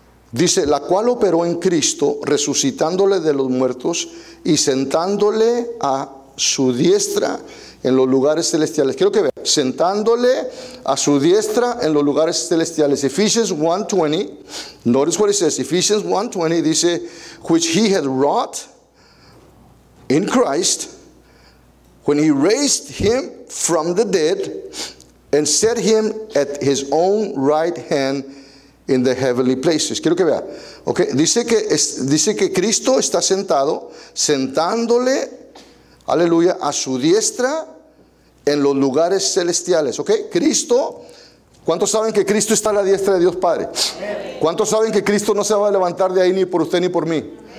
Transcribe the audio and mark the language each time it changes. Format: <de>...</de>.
<es>Dice, la cual operó en Cristo, resucitándole de los muertos y sentándole a su diestra en los lugares celestiales. Quiero que vean, sentándole a su diestra en los lugares celestiales.</es> <en>Ephesians 1:20, notice what it says, Ephesians 1:20 dice, which he had wrought in Christ when he raised him from the dead and set him at his own right hand in the heavenly places.</en> <es>Quiero que vea. Okay. Dice que Cristo está sentado, sentándole, aleluya, a su diestra en los lugares celestiales. Okay. Cristo, ¿cuántos saben que Cristo está a la diestra de Dios Padre? ¿Cuántos saben que Cristo no se va a levantar de ahí ni por usted ni por mí?</es>